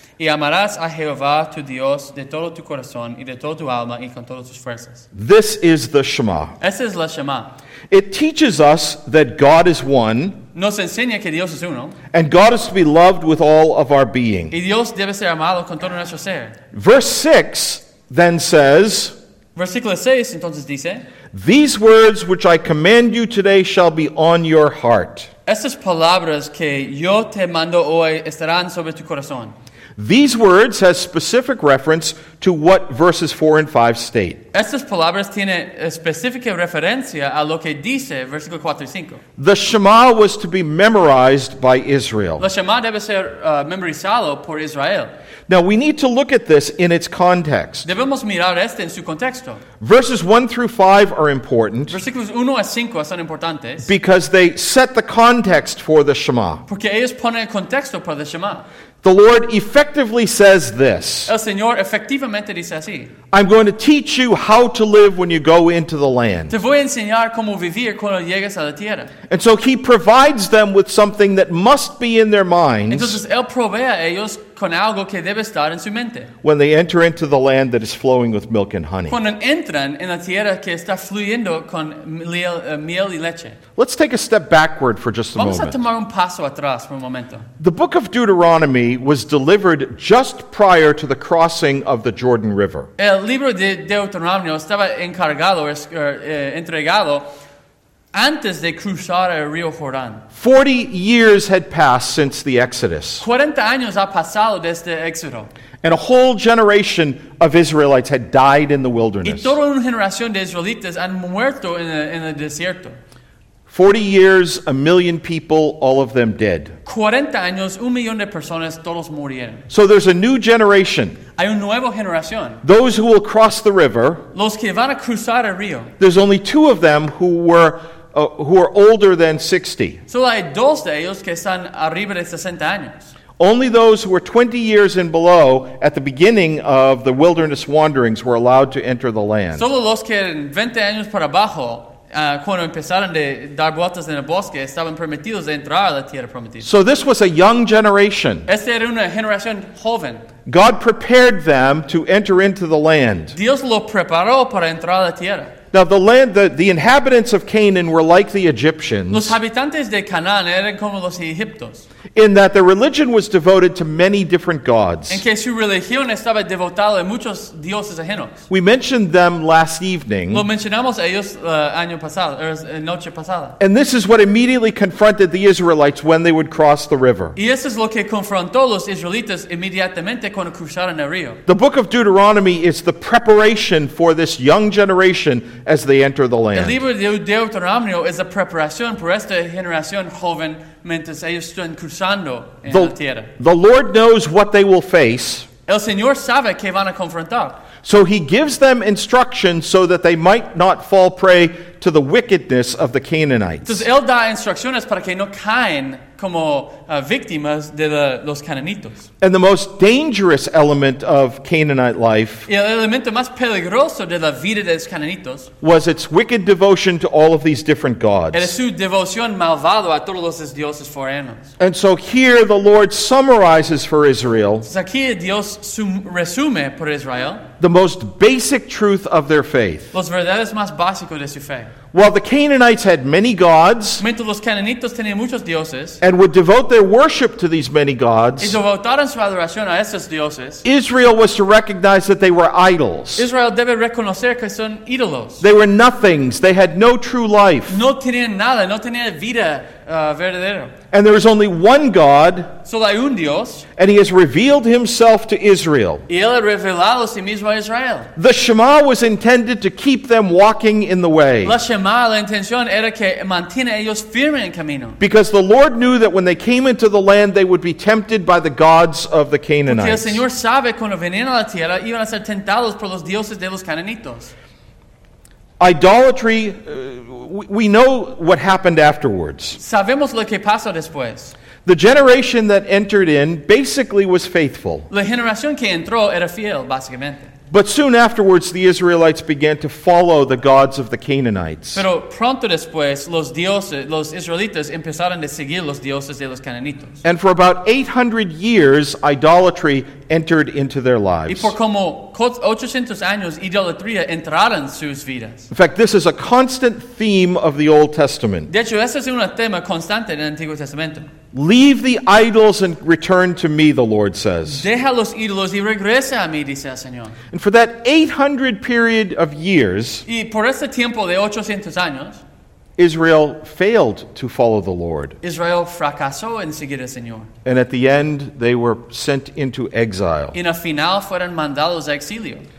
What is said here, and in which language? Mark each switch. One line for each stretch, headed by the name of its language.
Spanish: Y amarás a Jehová tu Dios de todo tu corazón y de todo tu alma y con todas tus fuerzas.
English: This is the Shema.
Spanish: Esa es la Shema.
English: It teaches us that God is one.
Spanish: Nos enseña que Dios es uno.
English: And God is to be loved with all of our being.
Spanish: Y Dios debe ser amado con todo nuestro ser.
English: Verse 6 then says.
Spanish: Versículo 6 entonces dice.
English: These words which I command you today shall be on your heart.
Spanish: Estas palabras que yo te mando hoy estarán sobre tu corazón.
English: These words has specific reference to what verses 4 and 5 state.
Spanish: Estas palabras tiene específica referencia a lo que dice versículo 4 y 5.
English: The Shema was to be memorized by Israel.
Spanish: La Shema debe ser memorizado por Israel.
English: Now we need to look at this in its context.
Spanish: Debemos mirar este en su contexto.
English: Verses 1 through 5 are important.
Spanish: Versículos 1 a 5 son importantes.
English: Because they set the context for the Shema.
Spanish: Porque ellos ponen el contexto para la Shema.
English: The Lord effectively says this.
Spanish: El Señor efectivamente dice así.
English: I'm going to teach you how to live when you go into the land.
Spanish: Te voy a enseñar cómo vivir cuando llegues a la tierra.
English: And so he provides them with something that must be in their minds.
Spanish: Entonces él provee a ellos con algo que debe estar en su mente.
English: When they enter into the land that is flowing with milk and honey.
Spanish: Cuando entran en la tierra que está fluyendo con miel y leche.
English: Let's take a step backward for just a moment.
Spanish: Vamos a tomar un paso atrás por un momento.
English: The book of Deuteronomy was delivered just prior to the crossing of the Jordan River.
Spanish: El libro de Deuteronomio estaba encargado, entregado antes de cruzar el río Jordán.
English: 40 years had passed since the Exodus.
Spanish: 40 años ha pasado desde el Éxodo.
English: And a whole generation of Israelites had died in the wilderness.
Spanish: Y toda una generación de israelitas han muerto en el desierto.
English: 40 years, 1 million people, all of them dead.
Spanish: 40 años, 1 millón de personas, todos murieron.
English: So there's a new generation.
Spanish: Hay una nueva generación.
English: Those who will cross the river.
Spanish: Los que van a cruzar el río.
English: There's only two of them who are older than 60.
Spanish: Solo hay dos de ellos que están arriba de 60 años.
English: Only those who were 20 years and below at the beginning of the wilderness wanderings were allowed to enter the land.
Spanish: Solo los que eran 20 años para abajo. Cuando empezaron de dar vueltas en el bosque, estaban permitidos de entrar a la tierra prometida.
English: So this was a young generation.
Spanish: Esta era una generación joven.
English: God prepared them to enter into the land.
Spanish: Dios lo preparó para entrar a la tierra.
English: Now the land, the inhabitants of Canaan were like the Egyptians.
Spanish: Los habitantes de Canaan eran como los egipcios.
English: In that their religion was devoted to many different gods.
Spanish: En que su religión estaba devotada a muchos dioses ajenos.
English: We mentioned them last evening.
Spanish: Lo mencionamos a ellos año pasado, noche pasada.
English: And this is what immediately confronted the Israelites when they would cross the river.
Spanish: Y eso es lo que confrontó los israelitas inmediatamente cuando cruzaron el río.
English: The book of Deuteronomy is the preparation for this young generation as they enter the land.
Spanish: El libro de Deuteronomio es la preparación para esta generación joven. Mientras ellos están cruzando en la tierra.
English: The Lord knows what they will face.
Spanish: El Señor sabe que van a confrontar.
English: So he gives them instructions so that they might not fall prey to the wickedness of the Canaanites.
Spanish: Entonces él da instrucciones para que no caen como víctimas de los cananitos.
English: And the most dangerous element of Canaanite life.
Spanish: Y el elemento más peligroso de la vida de los cananitos.
English: Was its wicked devotion to all of these different gods.
Spanish: Era su devoción malvado a todos los dioses foráneos.
English: And so here the Lord summarizes for Israel.
Spanish: Aquí Dios resume por Israel.
English: the most basic truth of their faith.
Spanish: Los verdades más básicos de su fe.
English: While the Canaanites had many gods,
Spanish: mientras los cananitos tenían muchos dioses,
English: and would devote their worship to these many gods,
Spanish: y devotaron su adoración a esos dioses,
English: Israel was to recognize that they were idols.
Spanish: Israel debe reconocer que son ídolos.
English: They were nothings. They had no true life.
Spanish: No tenían nada. No tenían vida.
English: And there is only one God,
Spanish: solo hay un Dios,
English: and he has revealed himself to Israel.
Spanish: Y él ha revelado sí mismo a Israel.
English: The Shema was intended to keep them walking in the way.
Spanish: La Shema, la intención era que mantiene ellos firme en camino.
English: Because the Lord knew that when they came into the land, they would be tempted by the gods of the Canaanites.
Spanish: Porque el Señor sabe cuando venían a la tierra, iban a ser tentados por los dioses de los cananitos.
English: Idolatry, we know what happened afterwards.
Spanish: Sabemos lo que pasó después.
English: The generation that entered in basically was faithful.
Spanish: La generación que entró era fiel, básicamente.
English: But soon afterwards, the Israelites began to follow the gods of the Canaanites.
Spanish: Pero pronto después, los dioses, los israelitas empezaron a seguir los dioses de los cananitos.
English: And for about 800 years, idolatry entered into their lives.
Spanish: Y por como 800 años, idolatría entraron sus vidas.
English: In fact, this is a constant theme of the Old Testament.
Spanish: De hecho, este es un tema constante en el Antiguo Testamento.
English: Leave the idols and return to me, the Lord says.
Spanish: Deja los ídolos y regresa a mí, dice el Señor.
English: And for that 800 period of years,
Spanish: y por ese tiempo de 800 años,
English: Israel failed to follow the Lord.
Spanish: Israel fracasó en seguir al Señor.
English: And at the end, they were sent into exile.
Spanish: Y al final fueron mandados a exilio.